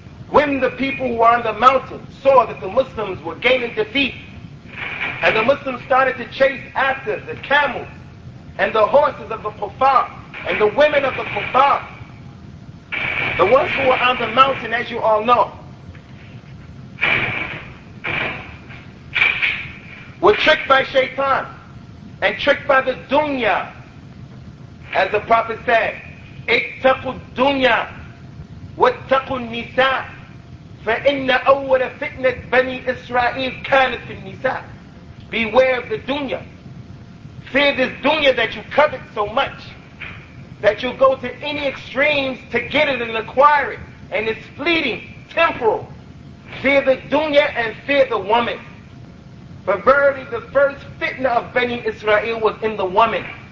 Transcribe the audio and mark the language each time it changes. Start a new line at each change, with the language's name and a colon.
English: When the people who were on the mountain saw that the Muslims were gaining defeat, and the Muslims started to chase after the camels and the horses of the Kufar, and the women of the Kufar, the ones who were on the mountain, as you all know, were tricked by Shaitan and tricked by the dunya. As the Prophet said,
Arabic: اتقوا الدنيا واتقوا النساء فإن أول فتنة بني إسرائيل كانت في النساء.
English: Beware of the dunya. Fear this dunya that you covet so much, that you go to any extremes to get it and acquire it, and it's fleeting, temporal. Fear the dunya and fear the woman. For verily the first fitna of Bani Israel was in the woman.